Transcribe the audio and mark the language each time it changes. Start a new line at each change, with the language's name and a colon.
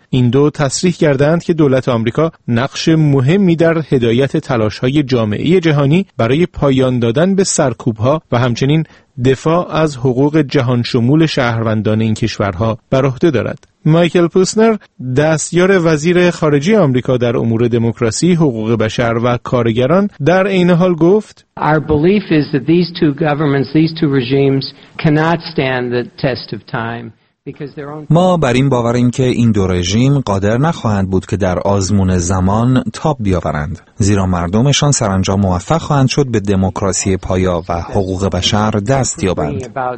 Persian: این دو تصریح کردند که دولت آمریکا نقش مهمی در هدایت تلاش‌های جامعه جهانی برای پایان دادن به سرکوب‌ها و همچنین دفاع از حقوق جهان شمول شهروندان این کشورها بر عهده دارد. مایکل پوسنر، دستیار وزیر خارجه آمریکا در امور دموکراسی، حقوق بشر و کارگران، در عین حال گفت:
English: Our belief is that these two governments, these two regimes cannot stand the test of time.
Persian: ما بر این باوریم که این دو رژیم قادر نخواهند بود که در آزمون زمان تاب بیاورند، زیرا مردمشان سرانجام موفق خواهند شد به دموکراسی پایا و حقوق بشر دست یابند.